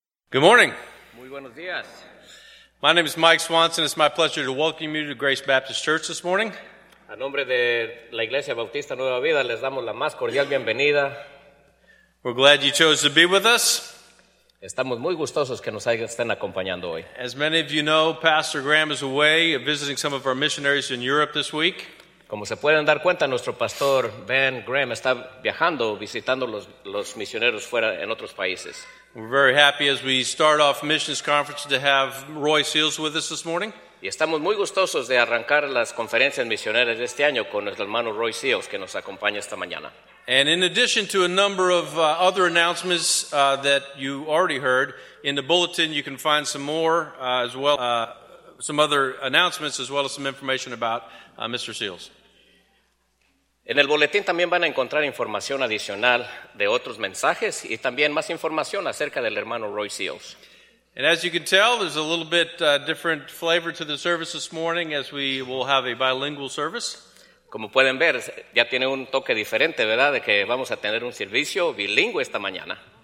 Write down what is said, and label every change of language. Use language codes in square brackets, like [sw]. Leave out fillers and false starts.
[en] Good morning. [es] Muy buenos dias. [en] My name is Mike Swanson. It's my pleasure to welcome you to Grace Baptist Church this morning. [es] A nombre de la Iglesia Bautista Nueva Vida, les damos la más cordial bienvenida. [en] We're glad you chose to be with us. [es] Estamos muy gustosos que nos estén acompañando hoy. [en] As many of you know, Pastor Graham is away visiting some of our missionaries in Europe this week. [es] Como se pueden dar cuenta, nuestro pastor Ben Graham está viajando, visitando los misioneros fuera en otros países. [en] We're very happy as we start off missions conference to have Roy Seals with us this morning. [es] Y estamos muy gustosos de arrancar las conferencias misioneras de este año con nuestro hermano Roy Seals que nos acompaña esta mañana. [en] And in addition to a number of other announcements that you already heard in the bulletin, you can find some more as well, some other announcements as well as some information about Mr. Seals. [es] En el boletín también van a encontrar información adicional de otros mensajes y también más información acerca del hermano Roy Seals. [en] And as you can tell, there's a little bit different flavor to the service this morning as we will have a bilingual service. [es] Como pueden ver, ya tiene un toque diferente, ¿verdad? De que vamos a tener un servicio bilingüe esta mañana.